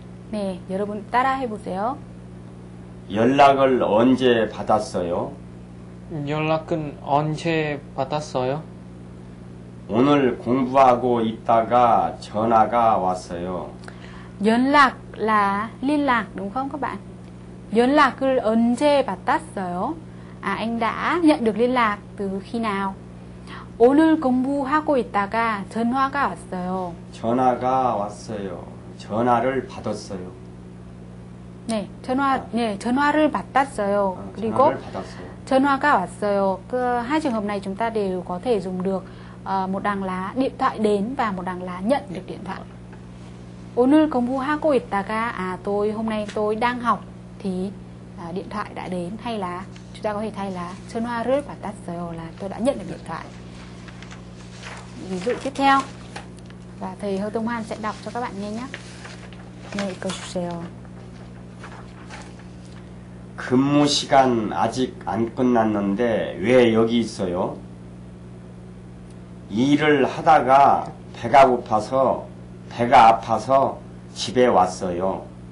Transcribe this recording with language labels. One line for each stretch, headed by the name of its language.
Korean: 네, 여러분 따라해 보세요. 연락을 언제 받았어요? 연락은 언제 받았어요? 오늘 공부하고 있다가 전화가 왔어요.
Vietnamese: 연락 là liên lạc đúng không các bạn?
Korean: 연락을 언제 받았어요?
Vietnamese: À, anh đã nhận được liên lạc từ khi nào?
Korean: 오늘 공부하고 있다가 전화가 왔어요. 전화가 왔어요. 전화를 받았어요. 네, 전화, 네, 전화를 받았어요. 아, 그리고 전화가 왔어요.
Vietnamese: 그 hai trường hợp này chúng ta đều có thể dùng được một đằng là điện thoại đến và một đằng là nhận được điện thoại.
Korean: 오늘 공부하고 있다가,
Vietnamese: à, tôi hôm nay tôi đang học thì điện thoại đã đến, hay là chúng ta có thể thay là
Korean: 전화를 받았어요,
Vietnamese: là tôi đã nhận được điện thoại. Ví dụ tiếp theo, và thầy Hơ Tông Hoan sẽ đọc cho các bạn nghe nhé. Nghe câu chuyện.
Korean: 근무 시간 아직 안 끝났는데 왜 여기 있어요? 일을 하다가 배가 고파서 배가 아파서 집에 왔어요.